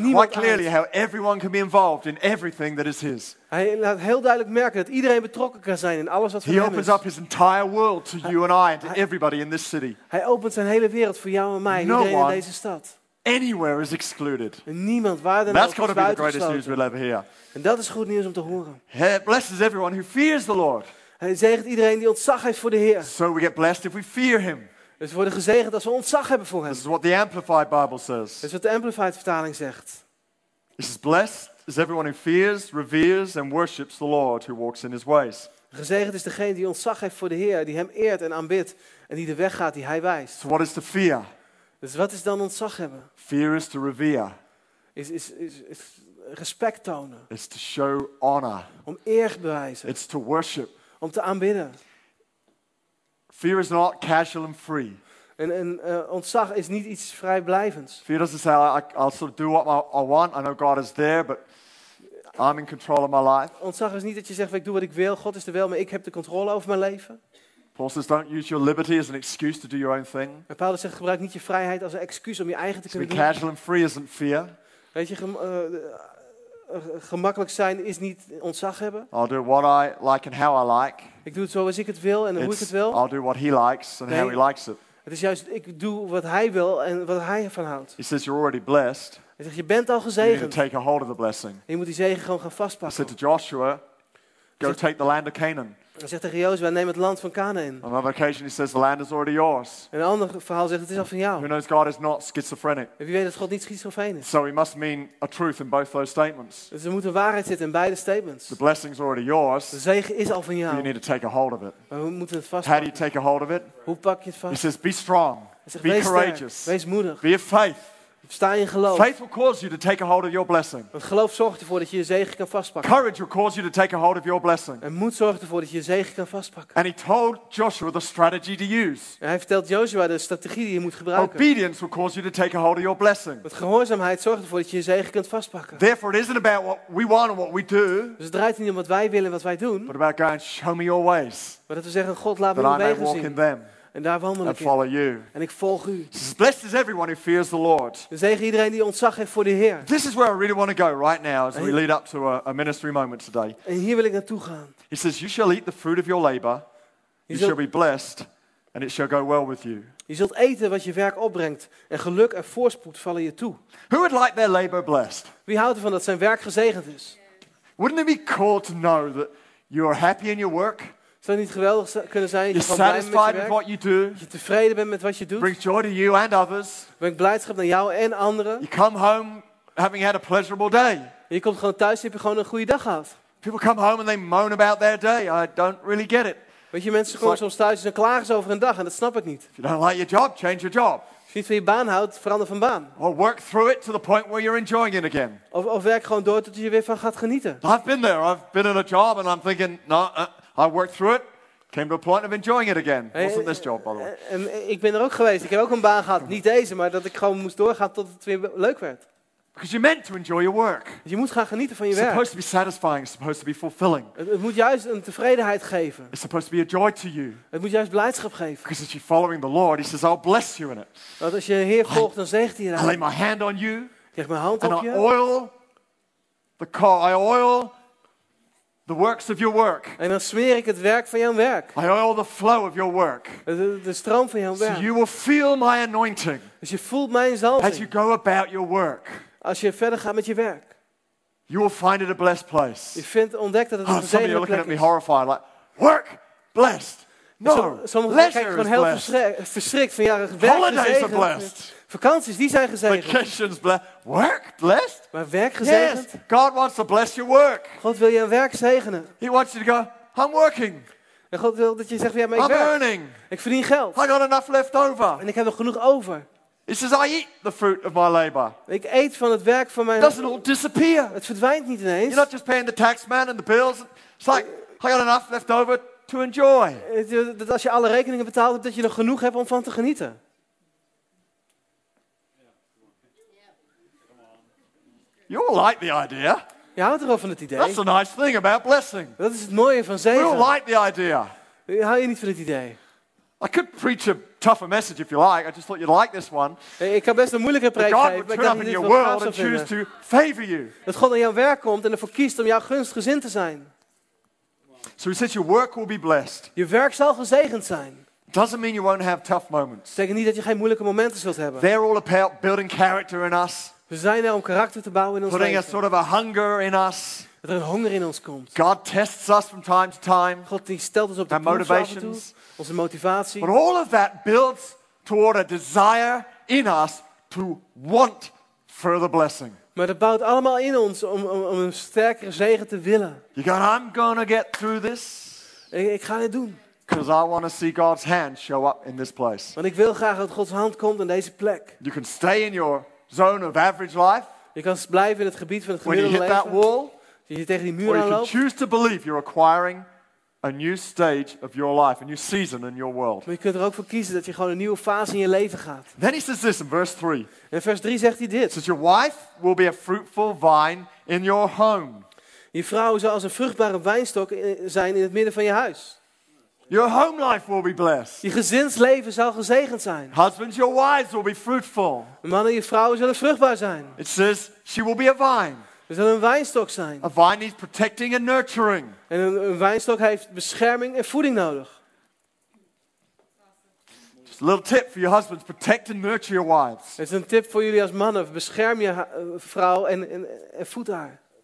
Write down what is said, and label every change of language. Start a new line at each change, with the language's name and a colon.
English: Shows quite clearly how everyone can be involved in everything that is His.
Dutch: Hij laat heel duidelijk merken dat iedereen betrokken kan zijn in alles wat van Hem is.
English: He opens up His entire world to you and I and to everybody in this city.
Dutch: Hij opent zijn hele wereld voor jou en mij, iedereen in deze stad.
English: Anywhere is excluded.
Dutch: En niemand waar dan ook is buitengesloten.
English: That's got to be the greatest news we'll ever hear.
Dutch: En dat is goed nieuws om te horen.
English: He blesses everyone who fears the Lord.
Dutch: Hij zegent iedereen die ontzag heeft voor de Heer.
English: So we get blessed if we fear Him.
Dutch: Dus we worden gezegend als we ontzag hebben voor Hem.
English: This is what the Amplified Bible says.
Dutch: Dit is wat de Amplified vertaling zegt.
English: It says, blessed is everyone who fears, reveres and worships the Lord who walks in His ways.
Dutch: Gezegend is degene die ontzag heeft voor de Heer, die Hem eert en aanbidt en die de weg gaat die Hij wijst.
English: So what is the fear?
Dutch: Dus wat is dan ontzag hebben?
English: Fear is to revere.
Dutch: Is respect tonen.
English: It's to show honor.
Dutch: Om eer te bewijzen.
English: It's to worship.
Dutch: Om te aanbidden.
English: Fear is not casual and free.
Dutch: En ontzag is niet iets vrijblijvends.
English: Fear doesn't say I'll sort of do what I want. I know God is there, but I'm in control of my life.
Dutch: Ontzag is niet dat je zegt ik doe wat ik wil. God is er wel, maar ik heb de controle over mijn leven.
English: Paul says don't use your liberty as an excuse to do your own thing.
Dutch: En Paulus zegt gebruik niet je vrijheid als een excuus om je eigen te kunnen doen.
English: To be casual and free isn't fear.
Dutch: Weet je, gemakkelijk zijn is niet ontzag hebben.
English: I'll do what I like and how I like.
Dutch: Ik doe het zoals ik het wil en hoe ik het wil.
English: I'll do what he likes and how he likes it.
Dutch: Het is juist, ik doe wat hij wil en wat hij ervan houdt.
English: He says you're already blessed.
Dutch: Hij zegt, je bent al gezegend.
English: You need to take a hold of the blessing.
Dutch: En je moet die zegen gewoon gaan vastpakken.
English: He said to Joshua, go take the land of Canaan.
Dutch: Hij zegt tegen Jozua, neem het land van Canaan.
English: On another occasion he says, the land is already yours.
Dutch: Een ander verhaal zegt, het is al van jou.
English: Who knows, God is not schizophrenic.
Dutch: Wie weet dat God niet schizofreen is.
English: So he must mean a truth in both those statements.
Dutch: Dus er moet een waarheid zitten in beide statements.
English: The blessing is already yours.
Dutch: De zegen is al van jou.
English: You need to take a hold of it.
Dutch: Maar we moeten het vast.
English: How do you take a hold of it?
Dutch: Hoe pak je het vast?
English: He says, be strong.
Dutch: Hij zegt,
English: be courageous.
Dutch: Wees moedig.
English: Be of faith.
Dutch: Sta in geloof.
English: Faith will cause you to take a hold of your blessing.
Dutch: Want geloof zorgt ervoor dat je je zegen kan vastpakken.
English: Courage will cause you to take a hold of your blessing.
Dutch: En moed zorgt ervoor dat je je zegen kan vastpakken.
English: And he told Joshua the strategy to use.
Dutch: En hij vertelt Joshua de strategie die je moet gebruiken.
English: Obedience will cause you to take a hold of your blessing.
Dutch: Want gehoorzaamheid zorgt ervoor dat je je zegen kunt vastpakken.
English: Therefore it isn't about what we want or what we do.
Dutch: Dus het draait niet om wat wij willen en wat wij doen.
English: But about God, show me your ways.
Dutch: Maar dat we zeggen, God, laat me uw wegen zien.
English: Walk in them.
Dutch: En daar wandel ik
English: in. You.
Dutch: En ik volg u.
English: Blessed is everyone who fears the Lord.
Dutch: Zegen iedereen die ontzag heeft voor de Heer.
English: This is where I really want to go right now as we lead up to a ministry moment today.
Dutch: En hier wil ik naartoe gaan.
English: He says, you shall eat the fruit of your labor. You shall be blessed and it shall go well with you.
Dutch: Je zult eten wat je werk opbrengt en geluk en voorspoed vallen je toe.
English: Who would like their labor blessed?
Dutch: Wie houdt ervan dat zijn werk gezegend is?
English: Wouldn't it be cool to know that you are happy in your work?
Dutch: Zou het niet geweldig kunnen zijn dat je
English: satisfied with what you do,
Dutch: je tevreden bent met wat je doet,
English: brings joy to you and others,
Dutch: brengt blijdschap naar jou en anderen.
English: You come home having had a pleasurable day.
Dutch: Je komt gewoon thuis en heb je gewoon een goede dag gehad.
English: People come home and they moan about their day. I don't really get it.
Dutch: Weet je, mensen komen soms thuis en ze klagen over hun dag en dat snap ik niet.
English: If you don't like your job, change your job.
Dutch: Als je niet van je baan houdt, verander van baan.
English: Or work through it to the point where you're enjoying it again.
Dutch: Of werk gewoon door tot je weer van gaat genieten.
English: I've been there. I've been in a job and I'm thinking, I worked through it, came to a point of enjoying it again. It wasn't this job, by the way.
Dutch: Ik ben er ook geweest. Ik heb ook een baan gehad. Niet deze, maar dat ik gewoon moest doorgaan tot het weer leuk werd.
English: Because you're meant to enjoy your work.
Dutch: Je moet gaan genieten van je
English: it's
Dutch: werk.
English: It's supposed to be satisfying. It's supposed to be fulfilling.
Dutch: Het moet juist een tevredenheid geven.
English: It's supposed to be a joy to you.
Dutch: Het moet juist blijdschap geven.
English: Because as you're following the Lord, he says, I'll bless you in it.
Dutch: Want als je de Heer volgt, dan zegt hij eraan.
English: I lay my hand on you.
Dutch: Ik leg mijn hand
English: and
Dutch: op
English: I
Dutch: je.
English: And I oil the car. I oil the works of your work.
Dutch: En dan smeer ik het werk van jouw werk.
English: I oil the flow of your work.
Dutch: De stroom van jouw werk.
English: So you will feel my anointing.
Dutch: Dus je voelt mijn zalving.
English: As you go about your work.
Dutch: Als je verder gaat met je werk.
English: You will find it a blessed place.
Dutch: Je vindt ontdekt dat het een gezegende plek is.
English: Some of you are looking at me horrified, like work blessed. No.
Dutch: Sommigen kijken gewoon heel verschrikt van jouw werk gezegend.
English: Holidays are blessed.
Dutch: Vakanties, die zijn gezegend.
English: Vacations blessed. Work blessed.
Dutch: Maar werk gezegend.
English: Yes. God wants to bless your work.
Dutch: God wil je werk zegenen.
English: He wants you to go. I'm working.
Dutch: En God wil dat je zegt, ja, maar
English: I'm
Dutch: werk.
English: Earning.
Dutch: Ik verdien geld.
English: I got enough left over.
Dutch: En ik heb nog genoeg over.
English: He says, I eat the fruit of my labor.
Dutch: Ik eet van het werk van mijn.
English: Doesn't all disappear?
Dutch: Het verdwijnt niet ineens.
English: You're not just paying the tax man and the bills. It's like I got enough left over to enjoy.
Dutch: Dat als je alle rekeningen betaalt, dat je nog genoeg hebt om van te genieten.
English: You all like the idea.
Dutch: Je houdt er wel van het idee.
English: That's a nice thing about blessing.
Dutch: Dat is het mooie van zegen.
English: You all like the idea.
Dutch: Hou je niet van het idee?
English: I could preach a tougher message if you like. I just thought you'd like this one.
Dutch: Ik kan best een moeilijke preek geven.
English: God would turn up in your world and choose to favor you.
Dutch: Dat God aan jouw werk komt en ervoor kiest om jouw gunst gezind te zijn.
English: So he says your work will be blessed.
Dutch: Je werk zal gezegend zijn.
English: Doesn't mean you won't have tough moments.
Dutch: Zeker niet dat je geen moeilijke momenten zult hebben.
English: They're all about building character in us.
Dutch: We zijn er om karakter te bouwen in ons
English: putting
Dutch: leven.
English: A sort of a hunger in us.
Dutch: Dat er een honger in ons komt.
English: God tests us from time to time.
Dutch: God die stelt ons op de proef af en toe. Onze motivatie.
English: But all of that builds toward a desire in us to want further blessing.
Dutch: Maar dat bouwt allemaal in ons om een sterkere zegen te willen.
English: You go, I'm gonna get through this.
Dutch: Ik ga dit doen.
English: Because I want to see God's hand show up in this place.
Dutch: Want ik wil graag dat Gods hand komt in deze plek.
English: You can stay in your zone of average life.
Dutch: Je kan blijven in het gebied van het gemiddelde leven.
English: When you hit that wall,
Dutch: je tegen die muur aanloopt.
English: Or you can choose to believe you're acquiring a new stage of your life, a new season in your world.
Dutch: Maar je kunt er ook voor kiezen dat je gewoon een nieuwe fase in je leven gaat.
English: Then he says this in verse 3.
Dutch: In vers 3 zegt hij dit.
English: Says your wife will be a fruitful vine in your home.
Dutch: Je vrouw zal als een vruchtbare wijnstok zijn in het midden van je huis.
English: Your home life will be blessed.
Dutch: Je gezinsleven zal gezegend zijn.
English: Husbands, your wives will be fruitful.
Dutch: Mannen, je vrouwen zullen vruchtbaar zijn.
English: It says she will be a vine.
Dutch: Ze zullen een wijnstok zijn.
English: A vine needs protecting and nurturing.
Dutch: En een wijnstok heeft bescherming en voeding nodig.
English: Just a little tip for your husbands: protect and nurture your wives.
Dutch: Het is een tip voor jullie als mannen: bescherm je vrouw en voed haar.